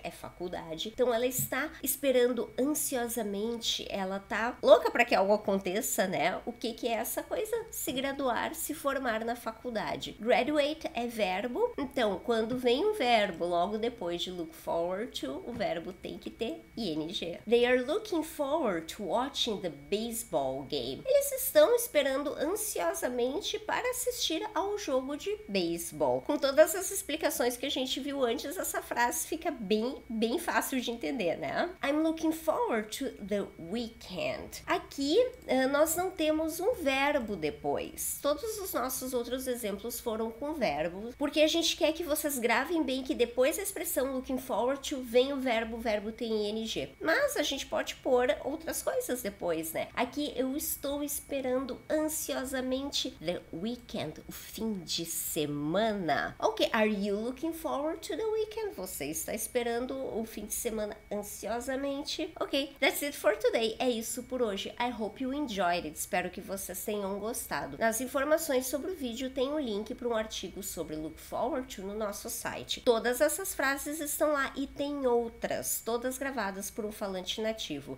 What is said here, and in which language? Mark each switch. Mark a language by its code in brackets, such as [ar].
[pt] É faculdade, então ela está esperando ansiosamente, ela tá louca para que algo aconteça, né? O que que é essa coisa? Se graduar, se formar na faculdade. Graduate é verbo, então quando vem um verbo logo depois de look forward to, o verbo tem que ter ing. [en] They are looking forward to watching the baseball game. [pt] Eles estão esperando ansiosamente para assistir ao jogo de beisebol. Com todas as explicações que a gente viu antes, essa frase fica bem, bem fácil de entender, né? [en] I'm looking forward to the weekend. [pt] Aqui, nós não temos um verbo depois. Todos os nossos outros exemplos foram com verbos, porque a gente quer que vocês gravem bem que depois da expressão looking forward to vem o verbo tem ing. Mas a gente pode pôr outras coisas depois, né? Aqui, eu estou esperando ansiosamente the weekend, o fim de semana. [en] Ok, are you looking forward to the weekend? [pt] Você está esperando o fim de semana ansiosamente. [en] Ok, that's it for today. [pt] É isso por hoje. [en] I hope you enjoyed it. [pt] Espero que vocês tenham gostado. Nas informações sobre o vídeo, tem um link para um artigo sobre look forward to no nosso site. Todas essas frases estão lá e tem outras, todas gravadas por um falante nativo.